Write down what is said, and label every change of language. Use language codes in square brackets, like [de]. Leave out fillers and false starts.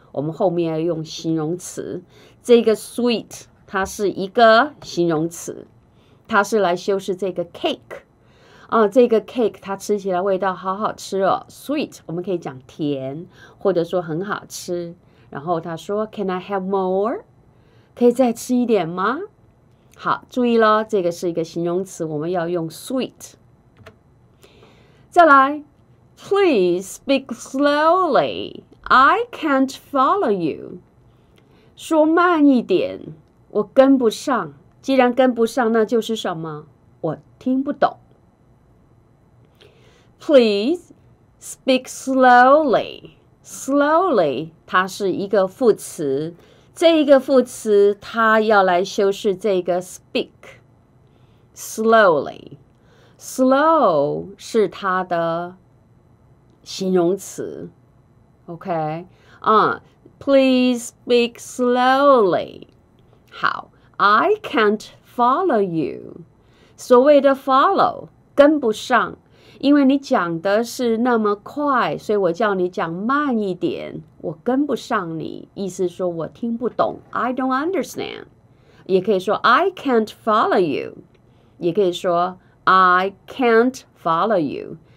[zh] 我们后面要用形容词，这个 sweet 它是一个形容词，它是来修饰这个 cake 啊，这个 cake 它吃起来味道好好吃哦， sweet 我们可以讲甜，或者说很好吃。然后他说 [en] Can I have more? [zh] 可以再吃一点吗？好，注意咯，这个是一个形容词，我们要用 sweet。再来， [en] Please speak slowlyI can't follow you. [zh] 说慢一点，我跟不上。既然跟不上，那就是什么？我听不懂。 [en] Please speak slowly. [zh] Slowly, 它是一个副词。这一个副词，它要来修饰这个 speak. [en] Slowly. [zh] Slow 是它的形容词。 [en] OK, please speak slowly. 好， I can't follow you. [zh] 所谓的 follow, 跟不上，因为你讲的是那么快，所以我叫你讲慢一点，我跟不上你，意思说我听不懂， [en] I don't understand. 也可以说 I can't follow you. 也可以说 I can't follow you.